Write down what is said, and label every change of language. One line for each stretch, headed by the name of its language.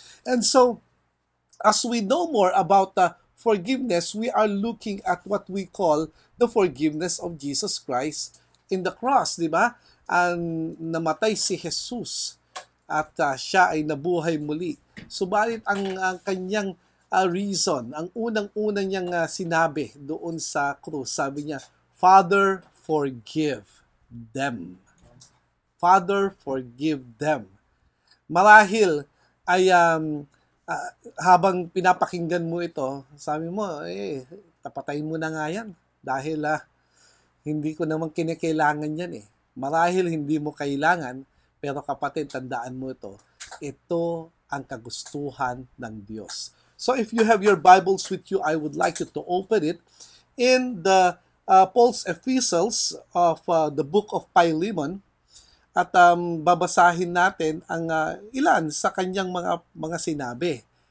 English: And so, as we know more about the forgiveness, we are looking at what we call the forgiveness of Jesus Christ in the cross,
Filipino: di ba? Ang namatay si Jesus at siya ay nabuhay muli. Subalit ang kanyang reason, ang unang-una niyang sinabi doon sa cross, sabi niya,
English: Father, forgive them. Father, forgive them.
Filipino: Marahil ay habang pinapakinggan mo ito, sabi mo, tapatayin mo na nga yan. Dahil hindi ko naman kinikailangan yan eh. Marahil hindi mo kailangan, pero kapatid, tandaan mo ito. Ito ang kagustuhan ng Diyos.
English: So if you have your Bibles with you, I would like you to open it in the Paul's Epistles of the Book of Philemon.
Filipino: At babasahin natin ang ilan sa kanyang mga sinabi.